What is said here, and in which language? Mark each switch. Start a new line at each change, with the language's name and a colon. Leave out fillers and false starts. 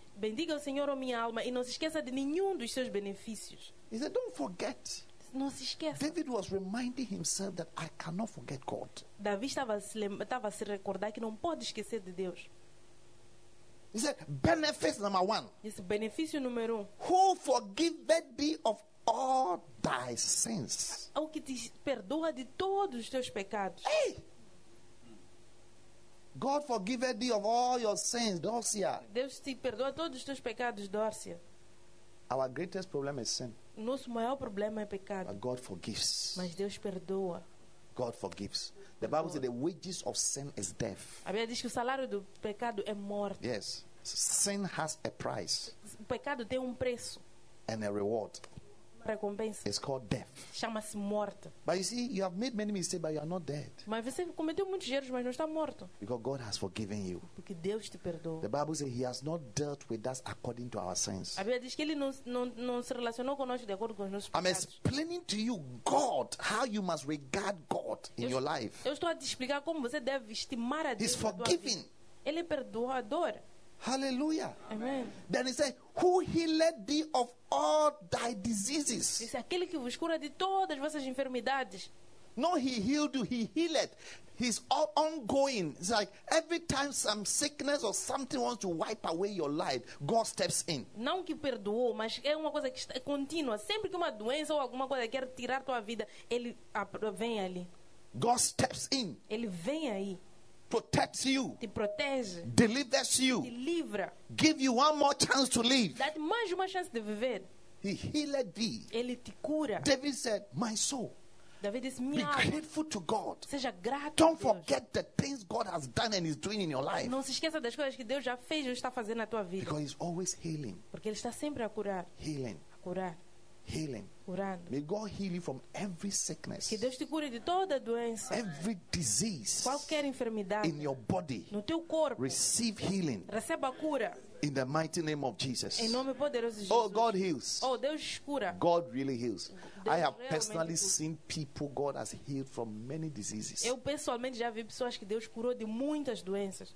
Portuguese: Bendiga o Senhor, minha alma, e não se esqueça de nenhum dos seus benefícios.
English: He said, "Don't forget."
Portuguese: Não se esqueça.
English: David was reminding himself that I cannot forget God.
Portuguese: Davi estava se recordar que não pode esquecer de Deus.
English: He said, "Benefits number one."
Portuguese: Isso, benefício número um.
English: Who forgiveth thee of all thy sins?
Portuguese: O que te perdoa de todos os teus pecados? Hey!
English: God forgive thee of all your sins, Dorcia.
Portuguese: Deus te perdoa todos os teus pecados, Dorcia.
English: Our greatest problem is sin.
Portuguese: Nosso maior problema é pecado.
English: But God forgives.
Portuguese: Mas Deus perdoa.
English: God forgives. The Bible says the wages of sin is death.
Portuguese: A Bíblia diz que o salário do pecado é morte.
English: Yes. Sin has a price.
Portuguese: O pecado tem preço.
English: And a reward.
Portuguese: Recompensa.
English: It's called death.
Portuguese: Chama-se morte.
English: But you see, you have made many mistakes, but you are not dead.
Portuguese: Mas você cometeu muitos erros, mas não está morto.
English: Because God has forgiven you.
Portuguese: Porque Deus te perdoou.
English: The Bible says He has not dealt with us according to our sins.
Portuguese: A Bíblia diz que Ele não se relacionou conosco de acordo com os nossos pecados.
English: I'm explaining to you God how you must regard God in your life.
Portuguese: Eu estou a te explicar como você deve estimar a Deus.
English: He's forgiving.
Portuguese: Ele é perdoador.
English: Hallelujah.
Portuguese: Amen.
English: Then he said, "Who healed thee of all thy diseases?"
Portuguese: Disse, aquele que vos cura de todas vossas enfermidades.
English: No, he healed you. He healed. He's all ongoing. It's like every time some sickness or something wants to wipe away your life, God steps in.
Portuguese: Não que perdoou, mas é uma coisa que é contínua. Sempre que uma doença ou alguma coisa quer tirar tua vida, ele vem ali.
English: God steps in.
Portuguese: Ele vem aí.
English: Protects you.
Portuguese: Te protege.
English: Delivers you.
Portuguese: Te livra.
English: Give you one more chance to live.
Portuguese: Dá-te mais uma chance de viver.
English: He healed thee.
Portuguese: Ele te cura.
English: David said, "My soul."
Portuguese: David disse,
English: be grateful to God.
Portuguese: Seja grato.
English: Don't forget the things God has done and is doing in your life.
Portuguese: Não se esqueça das coisas que Deus já fez e está fazendo na tua vida.
English: Because He's always healing.
Portuguese: Porque Ele está sempre a curar.
English: Healing.
Portuguese: A curar.
English: Healing.
Portuguese: Curando.
English: May God heal you from every sickness.
Portuguese: Que Deus te cure de toda doença.
English: Every disease.
Portuguese: Qualquer enfermidade.
English: In your body.
Portuguese: No teu corpo.
English: Receive healing.
Portuguese: Receba cura.
English: In the mighty name of Jesus.
Portuguese: Em nome poderoso de Jesus.
English: Oh, God heals.
Portuguese: Oh, Deus cura.
English: God really heals.
Portuguese: Deus,
English: I have personally
Portuguese: cura.
English: Seen people God has healed from many diseases.
Portuguese: Eu pessoalmente já vi pessoas que Deus curou de muitas doenças.